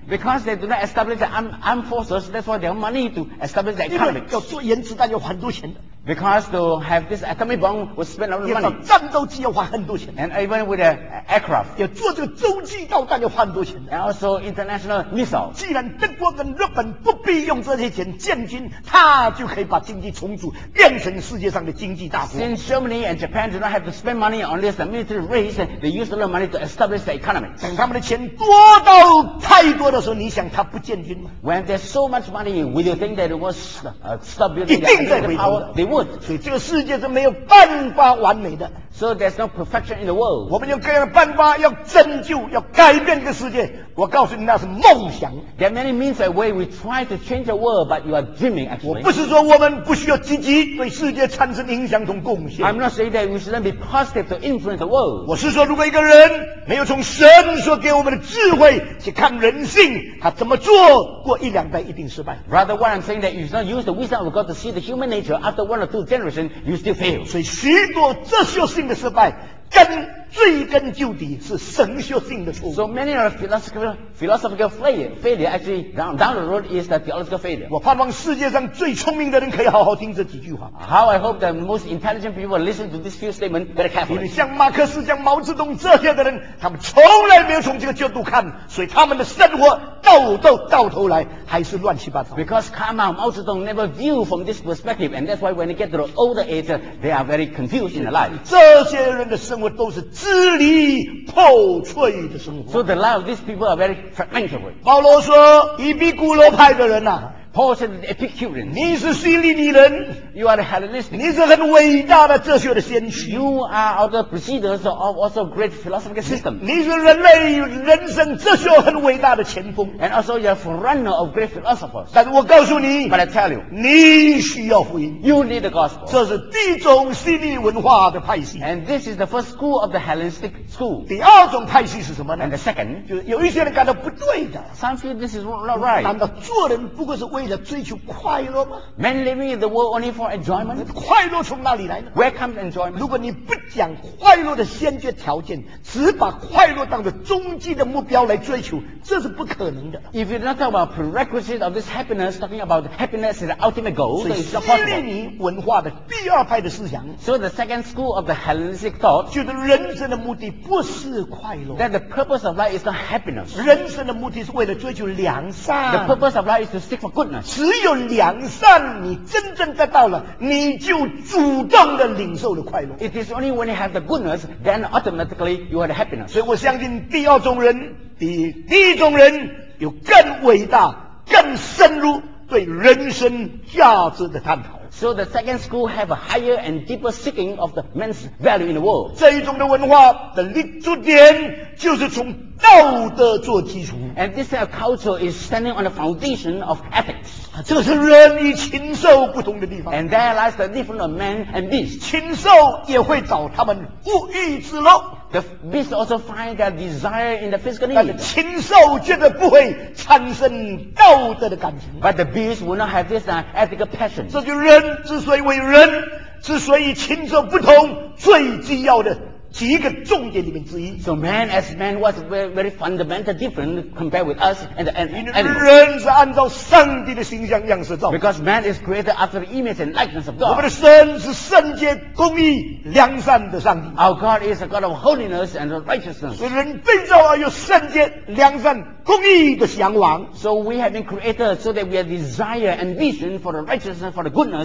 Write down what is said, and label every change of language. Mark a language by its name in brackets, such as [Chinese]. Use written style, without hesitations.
[English] Because they do not establish the armed forces, that's why they have money to establish the economy. [Chinese] 因为要做原子弹要很多钱的。 [English] Because to have this atomic bomb will spend a lot of money. [Chinese] 要做战斗机要花很多钱。 [English] And even with the aircraft. [Chinese] 要做这个洲际导弹要花很多钱。 [English] And also international missile. [Chinese] 既然德国跟日本不必用这些钱建军，他就可以把经济重组，变成世界上的经济大国。 [English] Since Germany and Japan do not have to spend money on this military race, they use a lot of money to establish the economy. [Chinese] 等他们的钱多到太多的时候，你想他不建军吗？ [English] When there's so much money, will you think that it was stop building the economic power? They would. [Chinese] 所以这个世界是没有办法完美的。 [English] So there's no perfection in the world. [Chinese] 我们有各样的办法要拯救，要改变这个世界。我告诉你，那是梦想。 [English] There are many means and ways we try to change the world, but you are dreaming actually. [Chinese] 我不是说我们不需要积极对世界产生影响和贡献。 [English] I'm not saying that we shouldn't be positive to influence the world. [Chinese] 我是说，如果一个人没有从神所给我们的智慧去看人性，他怎么做过一两代一定失败。 [English] Rather, what I'm saying that you should not use the wisdom of God to see the human nature after one or two generations, you still fail. [Chinese] 所以许多这些事。的失败根追根究底是神学性的错误。 [English] So many of philosophical failure actually down the road is the theological failure. [Chinese] 我盼望世界上最聪明的人可以好好听这几句话。 [English] How I hope that most intelligent people listen to this few statements very carefully. [Chinese] 因为像马克思、像毛泽东这些的人，他们从来没有从这个角度看，所以他们的生活到头来还是乱七八糟。 [English] Because Karl Marx, Mao Zedong never view from this perspective, and that's why when they get to the older age, they are very confused in their life. [Chinese] 这些人的生活都是支离破碎的生活。 [English] So the life of these people are very fragmented. [Chinese] 保罗说，伊比古罗派的人啊。 [English] Paul said, Epicurean, [Chinese] 你是希利尼人 [English] you are a Hellenist, [Chinese] 你是很伟大的哲学的先驱 [English] you are of the precedents of also great philosophical system, [Chinese] 你是人类人生哲学很伟大的前锋 [English] and also you are a forerunner of great philosophers, [Chinese] 但我告诉你 [English] but I tell you, [Chinese] 你需要福音 [English] you need the gospel, [Chinese] 这是第一种希利尼文化的派系 [English] and this is the first school of the Hellenistic school, [Chinese] 第二种派系是什么呢 [English] and the second, [Chinese] 就有一些人感到不对的 [English] some feel this is not right, [Chinese] 难道做人不过是为了追求快乐吗 [English] Men living in the world only for enjoyment? [Chinese] 快乐从哪里来呢 [English] Where comes enjoyment? [Chinese] 如果你不讲快乐的先决条件只把快乐当作终极的目标来追求这是不可能的 [English] If you're not talking about prerequisite of this happiness talking about happiness is the ultimate goal [Chinese] 所以希利尼文化的第二派的思想 [English] So the second school of the Hellenistic thought [Chinese] 就是人生的目的不是快乐 [English] That the purpose of life is not happiness [Chinese] 人生的目的是为了追求良善 [English] The purpose of life is to seek for good [Chinese] 只有良善你真正得到了你就主动的领受了快乐 [English] It is only when you have the goodness then automatically you have the happiness [Chinese] 所以我相信第二种人比第一种人有更伟大更深入对人生价值的探讨 [English] So the second school have a higher and deeper seeking of the man's value in the world [Chinese] 这一种的文化的立足点就是从道德做基础 [English] and this kind of culture is standing on the foundation of ethics [Chinese] 这是人与禽兽不同的地方 [English] and there lies the difference of man and beast [Chinese] 禽兽也会找他们物欲之乐 [English] the beast also find their desire in the physical need [Chinese] 但是禽兽绝对不会产生道德的感情 [English] but the beast will not have this ethical passion [Chinese] 这就是人之所以为人之所以禽兽不同最重要的几个重点里面之一。 [English] So man as man was very, very fundamental different compared with us and the animals. [Chinese] 人是按照上帝的形象样式造。 [English] Because man is created after the image and likeness of God. [Chinese] 我们的神是圣洁、公义、良善的上帝。 [English] Our God is a God of holiness and righteousness. [Chinese] 所以人被造而有圣洁、良善、公义的向往。 [English] So we have been created so that we have desire and vision for the righteousness, for the goodness.